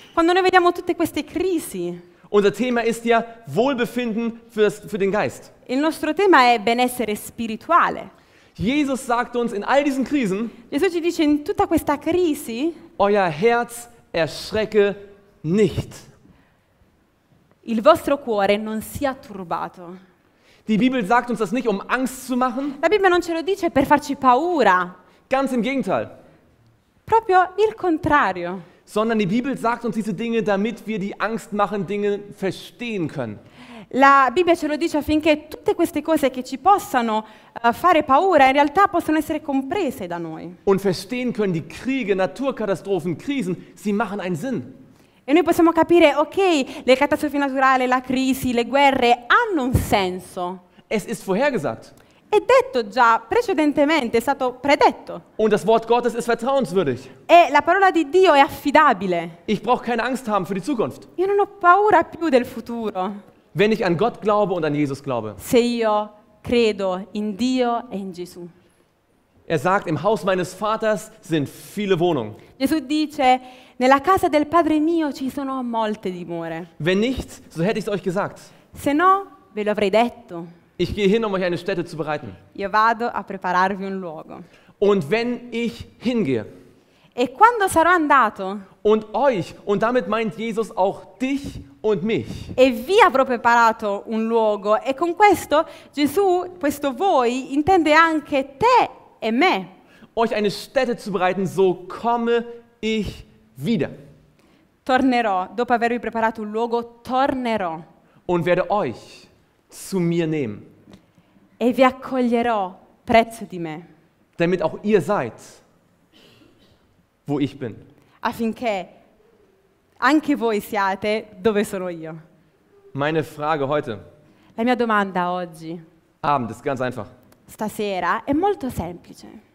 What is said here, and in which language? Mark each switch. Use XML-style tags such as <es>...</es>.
<it>Quando noi vediamo tutte queste crisi.</it> <de>Unser Thema ist ja Wohlbefinden für den Geist.</de> <it>Il nostro tema è benessere spirituale.</it> <de>Jesus sagt uns in all diesen Krisen.</de> <it>Gesù ci dice in tutta questa crisi.</it> <de>Euer Herz erschrecke nicht.</de> <it>Il vostro cuore non sia turbato.</it> <de>Die Bibel sagt uns das nicht, um Angst zu machen.</de> <it>La Bibbia non ce lo dice per farci paura.</it> <de>Ganz im Gegenteil.</de> <it>Proprio il contrario.</it> <de>Sondern die Bibel sagt uns diese Dinge, damit wir die Angst machen Dinge verstehen können.</de> <it>La Bibbia ce lo dice affinché tutte queste cose che ci possano fare paura in realtà possano essere comprese da noi.</it> <de>Und verstehen können die Kriege, Naturkatastrophen, Krisen, sie machen einen Sinn.</de> <it>E noi possiamo capire, ok, le catastrofi naturali, la crisi, le guerre hanno un senso.</it> <de>Es ist vorhergesagt.</de> <it>È detto già precedentemente, è stato predetto.</it> <de>Und das Wort Gottes ist vertrauenswürdig.</de> <it>E la parola di Dio è affidabile.</it> <de>Ich brauche keine Angst haben für die Zukunft.</de> <it>Io non ho paura più del futuro.</it> <de>Wenn ich an Gott glaube und an Jesus glaube.</de> <it>Se io credo in Dio e in Gesù.</it> <de>Er sagt, im Haus meines Vaters sind viele Wohnungen.</de> <it>Gesù dice, nella casa del Padre mio ci sono molte dimore.</it> <de>Wenn nicht, so hätte ich es euch gesagt.</de> <it>Se no, ve lo avrei detto.</it> <de>Ich gehe hin, um euch eine Stätte zu bereiten.</de> <it>Io vado a prepararvi un luogo.</it> <de>Und wenn ich hingehe.</de> <it>E quando sarò andato.</it> <de>Und euch, und damit meint Jesus auch dich und mich.</de> <it>E vi avrò preparato un luogo. E con questo, Gesù, questo voi, intende anche te e me.</it> <de>Euch eine Stätte zu bereiten, so komme ich wieder.</de> <it>Tornerò, dopo avervi preparato un luogo, tornerò.</it> <de>Und werde euch zu mir nehmen.</de> <it>E vi accoglierò presso di me.</it> <de>Damit auch ihr seid, wo ich bin.</de> <it>Affinché anche voi siate dove sono io.</it> <de>Meine Frage heute.</de> <it>La mia domanda oggi.</it> <de>Abend ist ganz einfach.</de> <it>Stasera è molto semplice.</it>